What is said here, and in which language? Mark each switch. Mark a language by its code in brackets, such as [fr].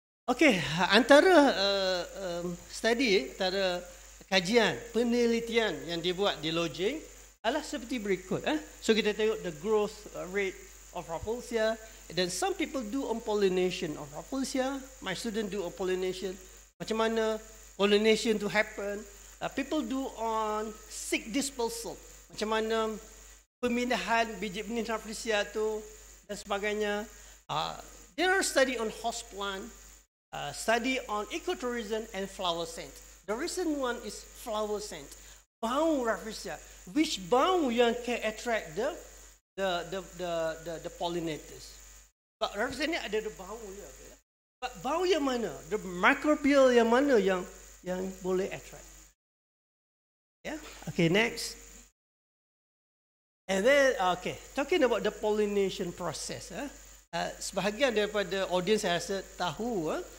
[ms] Okay, antara study, antara kajian, penelitian yang dibuat di Lojing adalah seperti berikut. [en] So [ms] kita tengok [en] the growth rate of Rafflesia. Then some people do on pollination of Rafflesia. My student do on pollination. [ms] Macam mana [en] pollination to happen? People do on seed dispersal. [ms] Macam mana pemindahan biji benih Rafflesia tu dan sebagainya. [en] There are study on host plant, study on ecotourism and flower scent. The recent one is flower scent. [ms] Bau [en] Rafflesia. Which [ms] bau yang [en] can attract the pollinators? [ms] But Rafflesia ni ada the bau ya. But bau yang mana? [en] The microbial [ms] yang mana yang boleh [en] attract? Yeah. Okay. Next. And then okay, talking about the pollination process. [ms] Sebahagian daripada audience saya rasa tahu.